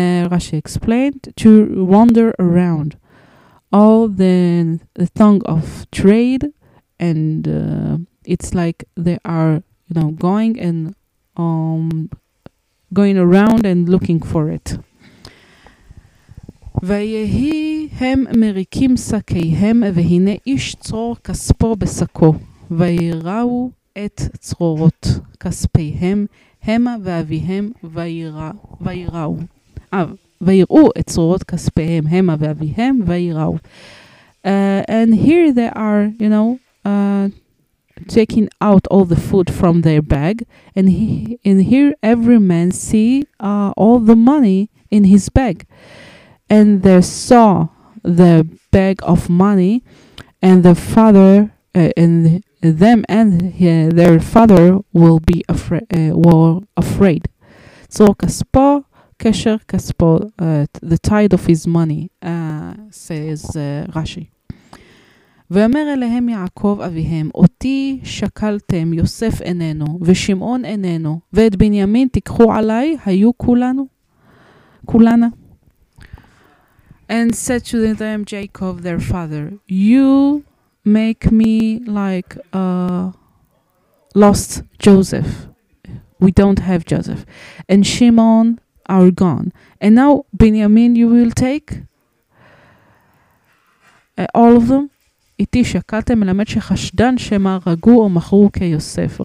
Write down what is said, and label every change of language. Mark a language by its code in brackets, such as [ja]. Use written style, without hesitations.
[en] Rashi explained, to wander around all the tongue of trade, and it's like they are, you know, going and going around and looking for it. [he] ויהי הם מריקים שקיהם, והנה איש צרור כספו בשקו, ויראו את צרורות כספיהם, המה ואביהם ויראו. ויראו את צרורות כספיהם, המה ואביהם ויראו. [en] And here they are, you know, taking out all the food from their bag, and here every man see all the money in his bag. And they saw the bag of money, and the father, and them, and their father will be afraid. So [he] kaspo, kesher kaspo, [en] the tide of his money, says Rashi. [he] ואמר אליהם יעקב אביהם, אותי שקלתם, יוסף איננו, ושמעון איננו, ואת בנימין תיקחו עליי, היו כולנו, כולנה. [en] And said to them, Jacob, their father, you make me like lost Joseph. We don't have Joseph. And Shimon are gone. And now, Benjamin, you will take all of them? [he] איתי שקלתם מלמד שחשדן שמה רגו או מכרו כיוסף.